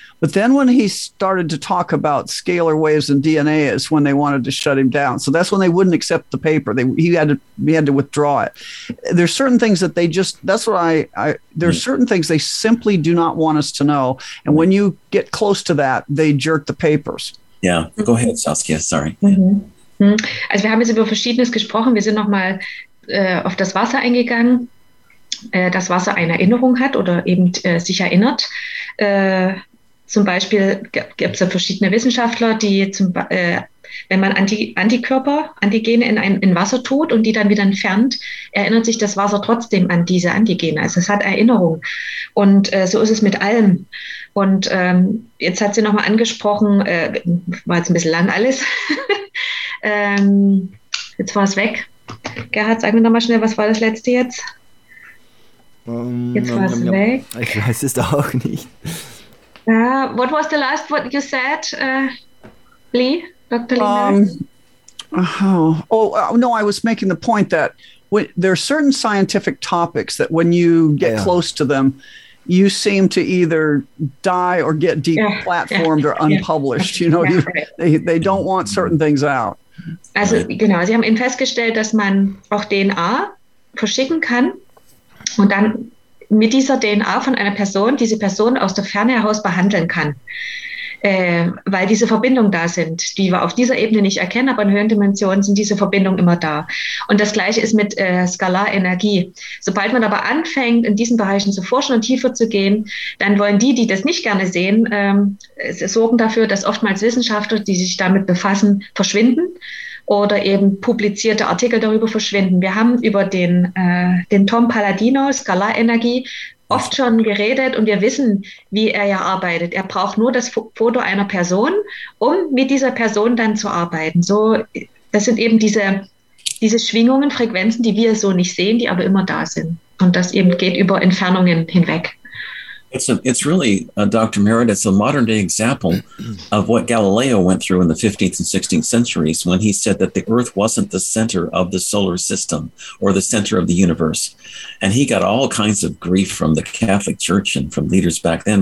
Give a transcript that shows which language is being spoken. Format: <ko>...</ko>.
<en>But then when he started to talk about scalar waves and DNA is when they wanted to shut him down. So that's when they wouldn't accept the paper. He had to withdraw it. There's certain things that they just, certain things they simply do not want us to know. And when you get close to that, they jerk the papers. Yeah. Go ahead, Saskia. Sorry. Mm-hmm.</en> <de>Also, wir haben jetzt über Verschiedenes gesprochen. Wir sind nochmal auf das Wasser eingegangen. Das Wasser eine Erinnerung hat oder eben sich erinnert. Zum Beispiel gibt es ja verschiedene Wissenschaftler, die wenn man Antikörper, Antigene in Wasser tut und die dann wieder entfernt, erinnert sich das Wasser trotzdem an diese Antigene. Also es hat Erinnerung. Und so ist es mit allem. Und jetzt hat sie nochmal angesprochen, war jetzt ein bisschen lang alles. jetzt war es weg. Gerhard, sag mir nochmal schnell, was war das Letzte jetzt? Jetzt war es weg. Ich weiß es auch nicht.</de> <en>What was the last what you said, Lee, Dr. Lee? I was making the point that there are certain scientific topics that when you get close to them, you seem to either die or get deplatformed or unpublished. You know, they don't want certain things out.</en> <de>Also, genau, sie haben eben festgestellt, dass man auch DNA verschicken kann und dann mit dieser DNA von einer Person diese Person aus der Ferne heraus behandeln kann, weil diese Verbindungen da sind, die wir auf dieser Ebene nicht erkennen, aber in höheren Dimensionen sind diese Verbindungen immer da. Und das Gleiche ist mit Skalarenergie. Sobald man aber anfängt, in diesen Bereichen zu forschen und tiefer zu gehen, dann wollen die, die das nicht gerne sehen, sorgen dafür, dass oftmals Wissenschaftler, die sich damit befassen, verschwinden oder eben publizierte Artikel darüber verschwinden. Wir haben über den Tom Paladino, Skalarenergie, oft schon geredet und wir wissen, wie er ja arbeitet. Er braucht nur das Foto einer Person, um mit dieser Person dann zu arbeiten. So, das sind eben diese Schwingungen, Frequenzen, die wir so nicht sehen, die aber immer da sind. Und das eben geht über Entfernungen hinweg.</de> <en>It's really Dr. Merritt, it's a modern day example of what Galileo went through in the 15th and 16th centuries when he said that the Earth wasn't the center of the solar system or the center of the universe. And he got all kinds of grief from the Catholic Church and from leaders back then.</en>